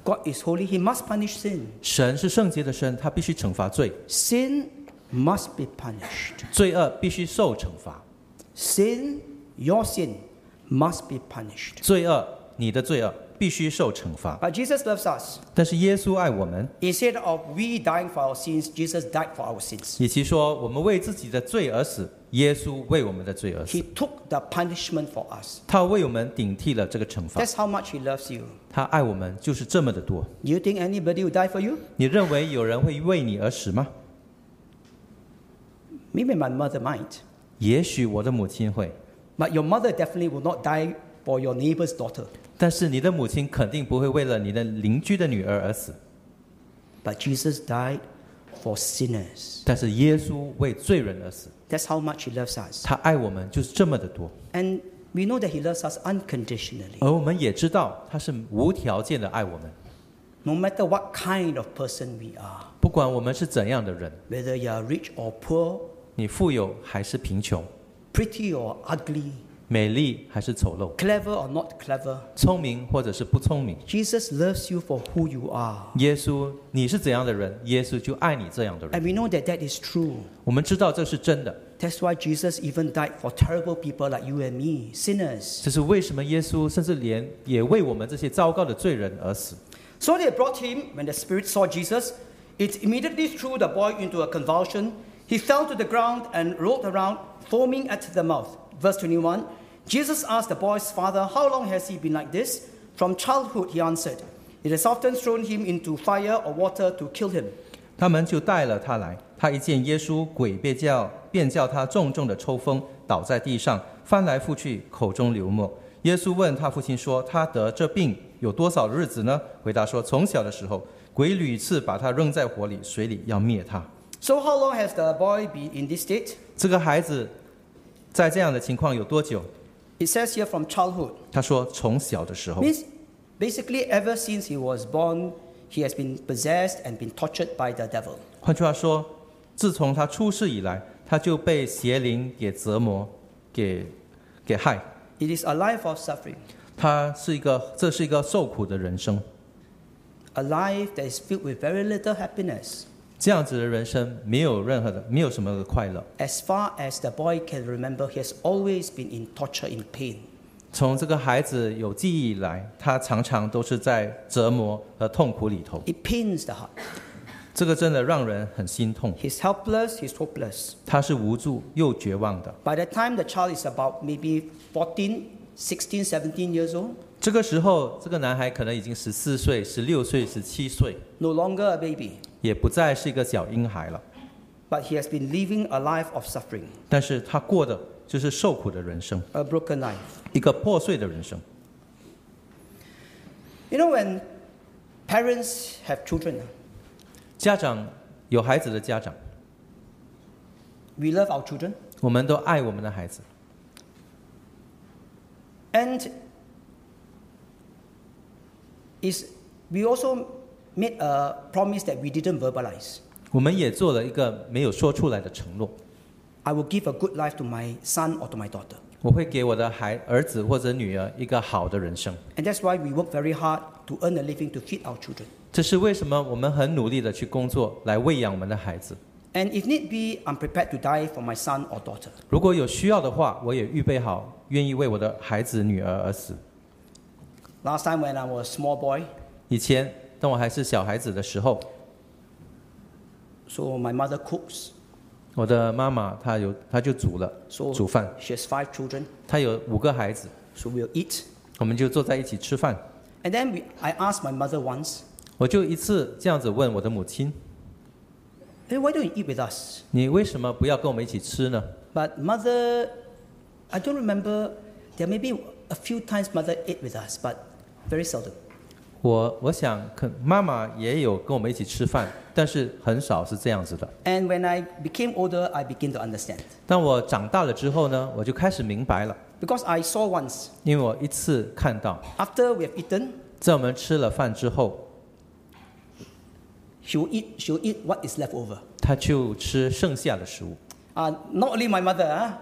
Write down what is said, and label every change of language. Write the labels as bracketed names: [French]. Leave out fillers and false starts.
[English] God is holy, he must punish sin. [Chinese] 神是圣洁的神，他必须惩罚罪。 [English] Sin must be punished. [Chinese] 罪恶必须受惩罚。 [English] Sin, your sin, must be punished. [Chinese] 罪恶，你的罪恶必须受惩罚。 [English] But Jesus loves us. [Chinese] 但是耶稣爱我们。 [English] Instead of we dying for our sins, Jesus died for our sins. [Chinese] 与其说我们为自己的罪而死，耶稣为我们的罪而死。 [English] He took the punishment for us. [Chinese] 他为我们顶替了这个惩罚。 [English] That's how much he loves you. [Chinese] 他爱我们就是这么的多。 [English] You think anybody will die for you? [Chinese] 你认为有人会为你而死吗？ [English] Maybe my mother might. [Chinese] 也许我的母亲会。 [English] But your mother definitely will not die for your neighbor's daughter. [Chinese] 但是你的母亲肯定不会为了你的邻居的女儿而死。 [English] But Jesus died for sinners. [Chinese] 但是耶稣为罪人而死。 [English] That's how much he loves us. [Chinese] 他爱我们就是这么的多。 [English] And we know that he loves us unconditionally. [Chinese] 而我们也知道他是无条件的爱我们。 [English] No matter what kind of person we are. [Chinese] 不管我们是怎样的人。 [English] Whether you are rich or poor. [Chinese] 你富有还是贫穷。 [English] Pretty or ugly. [Chinese] 美丽还是丑陋 [English] ？Clever or not clever？ [Chinese] 聪明或者是不聪明 [English] ？Jesus loves you for who you are。 [Chinese] 耶稣，你是怎样的人，耶稣就爱你这样的人。 [English] And we know that that is true。 [Chinese] 我们知道这是真的。 [English] That's why Jesus even died for terrible people like you and me, sinners。 [Chinese] 这是为什么耶稣甚至连也为我们这些糟糕的罪人而死。 [English] So they brought him. When the spirit saw Jesus, it immediately threw the boy into a convulsion. He fell to the ground and rolled around, foaming at the mouth. Verse 21. Jesus asked the boy's father, how long has he been like this? From childhood, he answered. It has often thrown him into fire or water to kill him. [Chinese] 他们就带了他来。他一见耶稣，鬼便叫他重重的抽风，倒在地上，翻来覆去，口中流沫。耶稣问他父亲说，他得这病有多少日子呢？回答说，从小的时候，鬼屡次把他扔在火里，水里要灭他。 [English] So how long has the boy been in this state? [Chinese] 这个孩子在这样的情况有多久？ [English] It says here from childhood. [Chinese] 他说从小的时候。 [English] Means basically ever since he was born, he has been possessed and been tortured by the devil. [Chinese] 换句话说，自从他出世以来，他就被邪灵给折磨，给害。 [English] It is a life of suffering. [Chinese] 这是一个受苦的人生。 [English] A life that is filled with very little happiness. [Chinese] 这样子的人生没有什么的快乐。 [English] As far as the boy can remember, he has always been in torture, in pain. [Chinese] 从这个孩子有记忆以来，他常常都是在折磨和痛苦里头。 [English] It pains the heart. [Chinese] 这个真的让人很心痛。 [English] He's helpless, he's hopeless. [Chinese] 他是无助又绝望的。 [English] By the time the child is about maybe 14, 16, 17 years old. [Chinese] 这个时候，这个男孩可能已经14岁、16岁、17岁 [English] ，no longer a baby， [Chinese] 也不再是一个小婴孩了。 [English] But he has been living a life of suffering. [Chinese] 但是他过的就是受苦的人生。 [English] A broken life. [Chinese] 一个破碎的人生。 [English] You know when parents have children. [Chinese] 家长有孩子的家长。 [English] We love our children. [Chinese] 我们都爱我们的孩子。 [English] And is we also made a promise that we didn't verbalize. [Chinese] 我们也做了一个没有说出来的承诺。 [English] I will give a good life to my son or to my daughter. [Chinese] 我会给我的儿子或者女儿一个好的人生。 [English] And that's why we work very hard to earn a living to feed our children. [Chinese] 这是为什么我们很努力的去工作来喂养我们的孩子。 [English] And if need be, I'm prepared to die for my son or daughter. [Chinese] 如果有需要的话，我也预备好，愿意为我的孩子女儿而死。 [English] Last time when I was a small boy. [Chinese] 以前当我还是小孩子的时候。 [English] So my mother cooks. [Chinese] 我的妈妈她就煮了 [English] so, [Chinese] 煮饭。 [English] She has five children. [Chinese] 她有五个孩子。 [English] So we'll eat. [Chinese] 我们就坐在一起吃饭。 [English] And then I asked my mother once. [Chinese] 我就一次这样子问我的母亲。 [English] Hey, why don't you eat with us? [Chinese] 你为什么不要跟我们一起吃呢？ [English] But mother, I don't remember. There may be a few times mother ate with us, but very seldom. [Chinese] 我想，妈妈也有跟我们一起吃饭，但是很少是这样子的。 [English] And when I became older, I began to understand. [Chinese] 当我长大了之后呢，我就开始明白了。 [English] Because I saw once. [Chinese] 因为我一次看到。 [English] After we have eaten. [Chinese] 在我们吃了饭之后。 [English] She'll eat what is left over. [Chinese] 她就吃剩下的食物。 [English] Not only my mother.